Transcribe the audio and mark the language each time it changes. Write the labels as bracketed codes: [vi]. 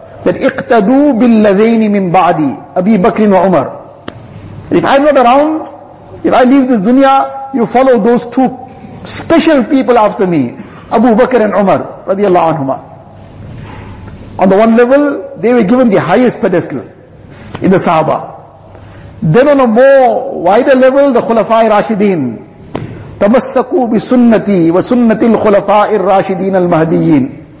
[ar] that اقتدوا بالذين من بعدي أبي بكر وعمر. [en] If I'm not around, if I leave this dunya, you follow those two special people after me, Abu Bakr and Umar radiallahu anhuma. On the one level, they were given the highest pedestal in the Sahaba. Then on a more wider level, the Khulafa'i Rashideen. [ar] تمسكوا بسنتي وسنة الخلفاء الراشدين المهديين.